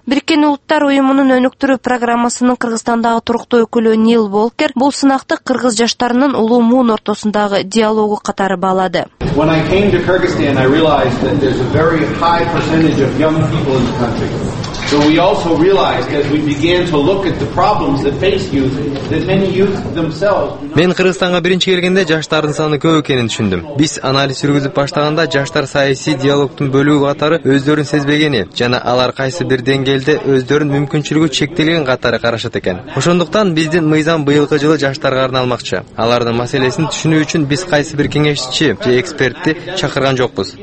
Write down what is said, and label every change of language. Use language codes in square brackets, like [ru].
[ky] Бириккен улуттар уюмунун өнүктүрүү программасынын Кыргызстандагы туруктуу өкүлү Нил Волкер бул сынакты кыргыз жаштарынын улуу муун ортосундагы диалогу катары баалады. [en] When I came to Kyrgyzstan, I realized that there's a very high percentage of young people in the country. So we also realized as we began to look at the problems that face youth that many youth themselves. [ky] Мен Кыргызстанга биринчи келгенде жаштардын саны көп экенин түшүндүм. Биз анализ жүргүзүп баштаганда жаштар саясий диалогтун бөлүгү катары өздөрүн сезбегени жана алар кайсы бир деңгээлде өздөрүн мүмкүнчүлүгү чектелген катары карашат экен. Ошондуктан биздин мыйзам быйылкы жылы жаштарга арналмакчы. Алардын маселесин түшүнүү үчүн биз кайсы бир кеңешчи же экспертти чакырган жокпуз.